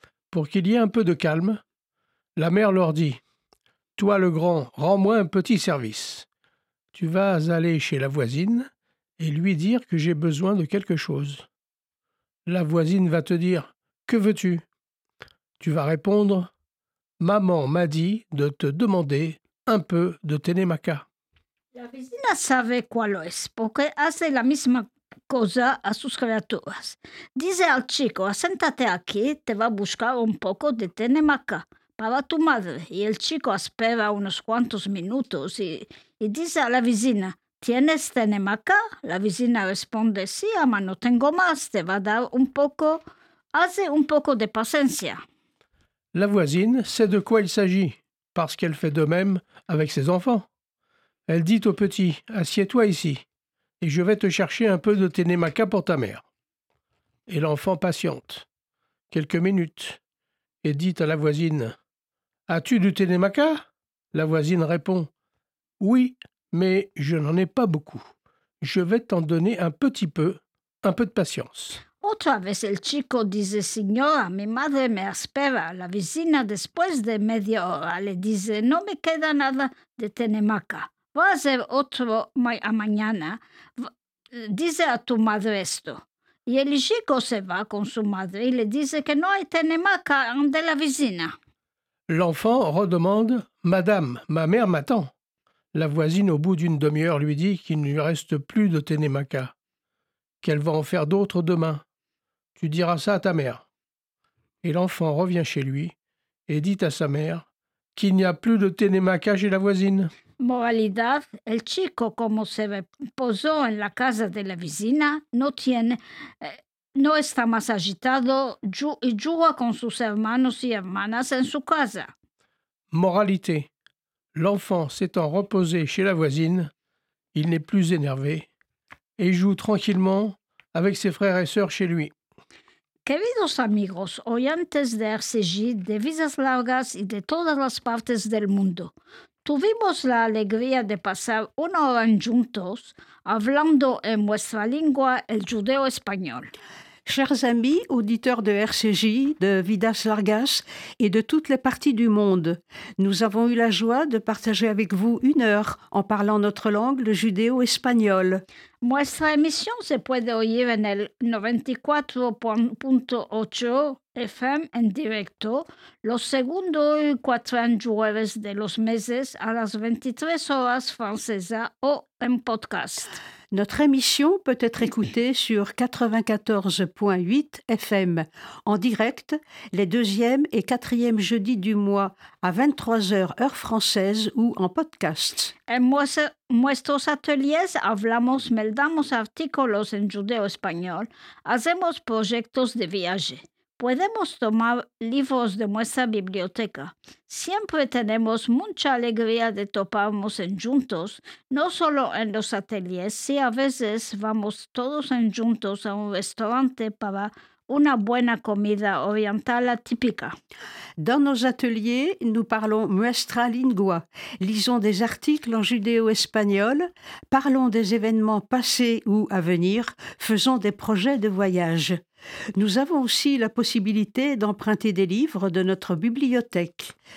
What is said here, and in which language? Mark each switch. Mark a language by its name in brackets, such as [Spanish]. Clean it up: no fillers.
[French] Pour qu'il y ait un peu de calme, la mère leur dit, toi le grand, rends-moi un petit service. Tu vas aller chez la voisine et lui dire que j'ai besoin de quelque chose. La voisine va te dire, que veux-tu? Tu vas répondre, maman m'a dit de te demander un peu de Tenemaca. [Ladino] La vecina sabe cuál es, porque hace la misma cosa a sus criaturas. Dice al chico, asentate aquí, te va a buscar un poco de Tenemaca. Para tu madre, y el chico espera unos cuantos minutos y dice a la vecina, ¿tienes Tenemaca? La vecina responde, sí, ama, no tengo más, te va a dar un poco, hace un poco de paciencia. [French] La voisine sait de quoi il s'agit, parce qu'elle fait de même avec ses enfants. Elle dit au petit, assieds-toi ici, et je vais te chercher un peu de Tenemaca pour ta mère. Et l'enfant patiente, quelques minutes, et dit à la voisine, as-tu du Tenemaca? La voisine répond, oui, mais je n'en ai pas beaucoup. Je vais t'en donner un petit peu, un peu de patience. [Ladino] Otra vez el chico dice, señora, mi madre me espera. La vecina después de media hora le dice, no me queda nada de Tenemaca. Va a ser otro mañana. Dice a tu madre esto. Y el chico se va con su madre y le dice que no hay Tenemaca ante la vecina. [French] L'enfant redemande « Madame, ma mère m'attend ». La voisine, au bout d'une demi-heure, lui dit qu'il ne lui reste plus de ténémaka, qu'elle va en faire d'autres demain. Tu diras ça à ta mère. Et l'enfant revient chez lui et dit à sa mère qu'il n'y a plus de ténémaka chez la voisine. [Ladino] Moralidad, el chico, como se posó en la casa de la vecina, no tiene, no está más agitado y juega con sus hermanos y hermanas en su casa. [French] Moralité. L'enfant s'étant reposé chez la voisine, il n'est plus énervé et joue tranquillement avec ses frères et sœurs chez lui. [Ladino] Queridos amigos, oyentes de RCJ, de Visas Largas y de todas las partes del mundo, tuvimos la alegría de pasar una hora juntos hablando en vuestra lengua el judeo-español. [French] Chers amis, auditeurs de RCJ, de Vidas Largas et de toutes les parties du monde, nous avons eu la joie de partager avec vous une heure en parlant notre langue, le judéo-espagnol. [Ladino] Nuestra emisión se puede oír en el 94.8 FM en directo, los segundos y cuatros jueves de los meses a las 23 horas francesa o en podcast. [French] Notre émission peut être écoutée sur 94.8 FM en direct les 2e et 4e jeudis du mois à 23h heure française ou en podcast. [Ladino] En nuestros ateliers hablamos, meldamos artículos en judeo-español, hacemos proyectos de viaje. Podemos tomar libros de nuestra biblioteca. Siempre tenemos mucha alegría de toparnos en juntos, no solo en los ateliers, si a veces vamos todos en juntos a un restaurante para una buena comida oriental típica. [French] Dans nos ateliers, nous parlons [Ladino] nuestra lingua, [French] lisons des articles en judéo-espagnol, parlons des événements passés ou à venir, faisons des projets de voyage. Nous avons aussi la possibilité d'emprunter des livres de notre bibliothèque.